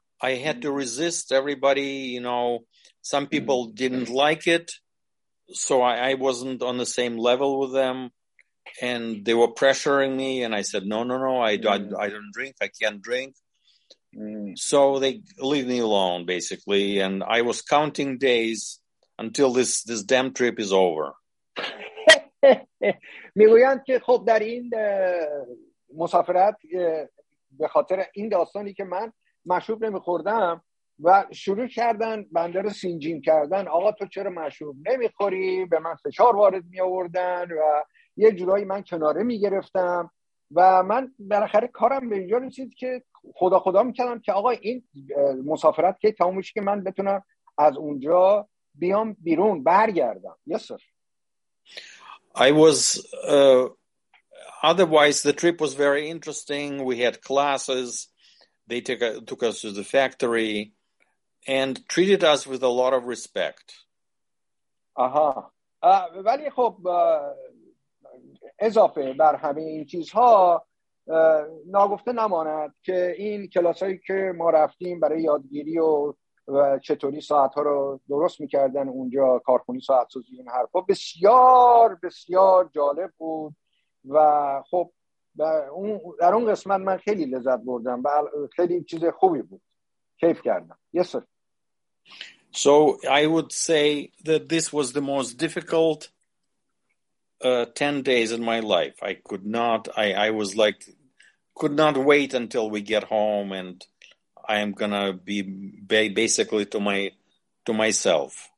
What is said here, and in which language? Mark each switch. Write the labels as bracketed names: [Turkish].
[English] I had to resist everybody, you know, some people didn't like it, so I wasn't on the same level with them, and they were pressuring me, and I said, no, I don't drink, I can't drink. So they leave me alone, basically, and I was counting days until this damn trip is over. [Persian] میگویند که خب در این مسافرت به خاطر این داستانی که من مشروب نمیخوردم و شروع کردن بنده رو سینجین کردن آقا تو چرا مشروب نمیخوری؟ به من فشار وارد میآوردن و یه جورایی من کناره میگرفتم و من بالاخره کارم به اینجا رسید که خدا خدا میکردم که آقا این مسافرت که تموم میشه که من بتونم از اونجا بیام بیرون برگردم. [English] Yes, sir. I was otherwise the trip was very interesting. We had classes. They took us to the factory and treated us with a lot of respect. [Persian] آها. ولی خب اضافه بر همه این چیزها ناگفته نماند که این کلاسایی که ما رفتیم برای یادگیری و چطوری ساعتها رو درست میکردن اونجا کارخونی ساعت سازی این حرفا بسیار بسیار جالب بود و خب در اون قسمت من خیلی لذت بردم و خیلی چیز خوبی بود کیف کردم. [English] Yes, sir. So I would say that this was the most difficult 10 days in my life. I could not wait until we get home and I am gonna be basically to myself.